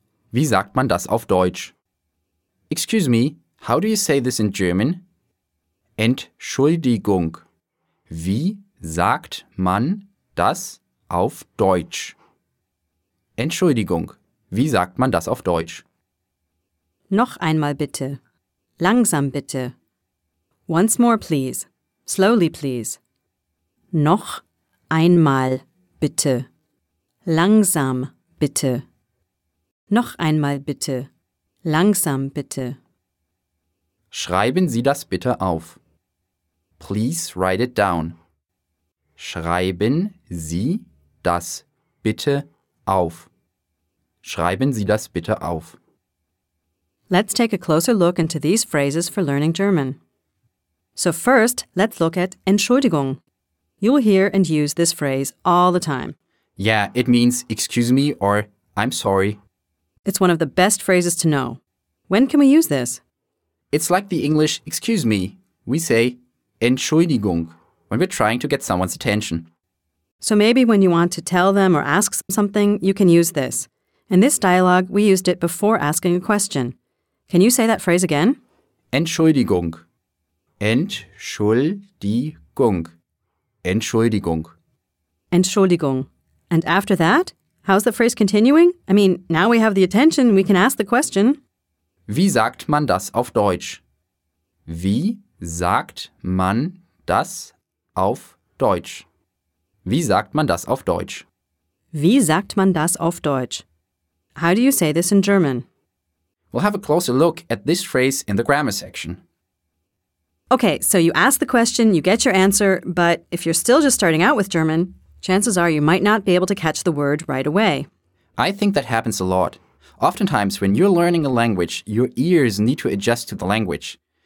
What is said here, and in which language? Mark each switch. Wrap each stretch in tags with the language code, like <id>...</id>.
<de>Wie sagt man das auf Deutsch?</de> <en>Excuse me, how do you say this in German?</en> <de>Entschuldigung. Wie sagt man das auf Deutsch? Entschuldigung, wie sagt man das auf Deutsch? Noch einmal bitte. Langsam bitte.</de> <en>Once more please. Slowly please.</en> <de>Noch einmal bitte. Langsam bitte. Noch einmal bitte. Langsam bitte. Schreiben Sie das bitte auf.</de> <en>Please write it down.</en> <de>Schreiben Sie das bitte auf. Schreiben Sie das bitte auf.</de> <en>Let's take a closer look into these phrases for learning German. So first, let's look at Entschuldigung. You'll hear and use this phrase all the time. Yeah, it means excuse me or I'm sorry. It's one of the best phrases to know. When can we use this? It's like the English excuse me. We say Entschuldigung when we're trying to get someone's attention. So maybe when you want to tell them or ask something, you can use this. In this dialogue, we used it before asking a question. Can you say that phrase again?</en> <de>Entschuldigung. Entschuldigung. Entschuldigung. Entschuldigung.</de> <en>And after that, how's the phrase continuing? I mean, now we have the attention, we can ask the question.</en> <de>Wie sagt man das auf Deutsch? Wie sagt man das auf Deutsch? Wie sagt man das auf Deutsch? Wie sagt man das auf Deutsch?</de> <en>How do you say this in German? We'll have a closer look at this phrase in the grammar section. Okay, so you ask the question, you get your answer, but if you're still just starting out with German, chances are you might not be able to catch the word right away. I think that happens a lot. Oftentimes, when you're learning a language, your ears need to adjust to the language.</en>